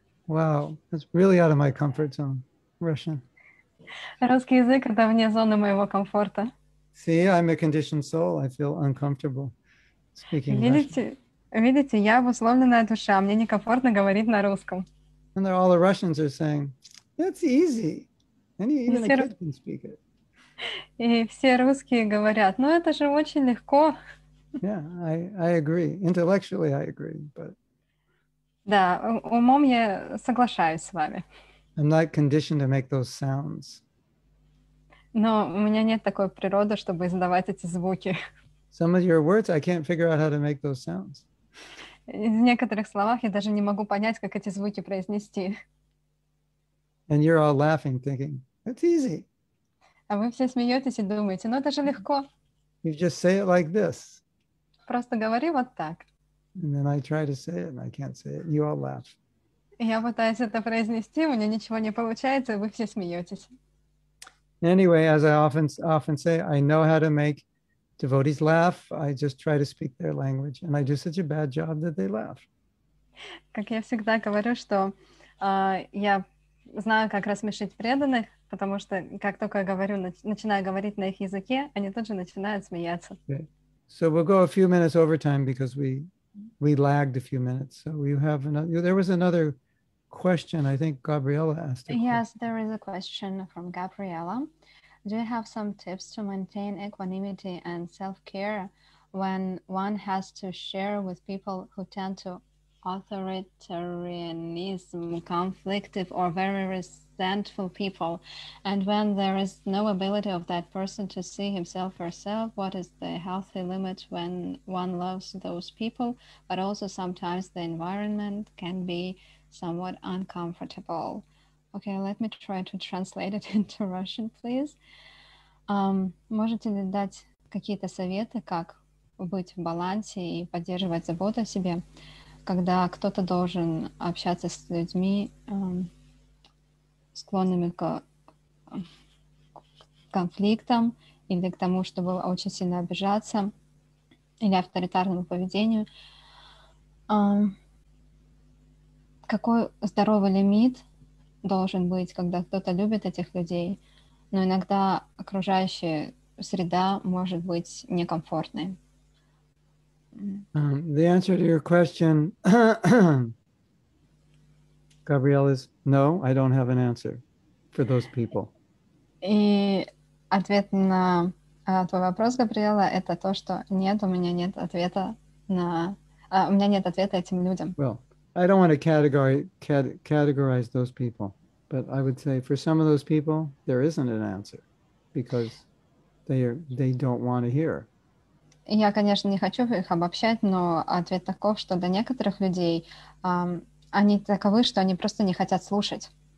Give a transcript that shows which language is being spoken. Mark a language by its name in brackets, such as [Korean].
[English] Wow, that's really out of my comfort zone, Russian. [Russian] Русский язык — это вне зоны моего комфорта. [English] See, I'm a conditioned soul. I feel uncomfortable speaking [Russian] видите, [English] Russian. [Russian] Видите, я обусловленная душа. Мне некомфортно говорить на русском. [English] And all the Russians are saying, that's easy. And even a kid can speak it. [Russian] И все русские говорят, ну это же очень легко. [English] Yeah, I agree. Intellectually, I agree, but... [Russian] Да, умом я соглашаюсь с вами. [English] I'm not conditioned to make those sounds. [Russian] Но у меня нет такой природы, чтобы издавать эти звуки. [English] Some of your words, I can't figure out how to make those sounds. [Russian] В некоторых словах я даже не могу понять, как эти звуки произнести. [English] And you're all laughing, thinking, it's easy. [Russian] А вы все смеетесь и думаете, ну это же легко. [English] You just say it like this. [Russian] Просто говори вот так. [English] And then I try to say it, and I can't say it. You all laugh. [Russian] Я пытаюсь это произнести, у меня ничего не получается, вы все смеетесь. [English] Anyway, as I often say, I know how to make devotees laugh. I just try to speak their language, and I do such a bad job that they laugh. [Russian] Как я всегда говорю, что я знаю, как рассмешить преданных, потому что как только я говорю, начинаю говорить на их языке, они тут же начинают смеяться. [English] Okay. So we'll go a few minutes over time because we lagged a few minutes, so you have another. There was another question. I think Gabriella asked. Yes, there is a question from Gabriella. Do you have some tips to maintain equanimity and self-care when one has to share with people who tend to authoritarianism, conflictive, or very resentful people, and when there is no ability of that person to see himself or herself? What is the healthy limit when one loves those people, but also sometimes the environment can be somewhat uncomfortable? Okay, let me try to translate it into Russian, please. [Russian] Можете ли дать какие-то советы, как быть в балансе и поддерживать заботу о себе, когда кто-то должен общаться с людьми, склонными к конфликтам, или к тому, чтобы очень сильно обижаться, или авторитарному поведению. Какой здоровый лимит должен быть, когда кто-то любит этих людей, но иногда окружающая среда может быть некомфортной? [English] The answer to your question, Gabrielle, is no, I don't have an answer for those people. [Russian] И ответ на твой вопрос, Габриэла, это то, что нет, у меня нет ответа этим людям. [English] Well, I don't want to categorize those people, but I would say for some of those people, there isn't an answer because they don't want to hear. [Russian] Я, конечно, не хочу их обобщать, но ответ таков, что для некоторых людей они таковы, что они просто не хотят слушать.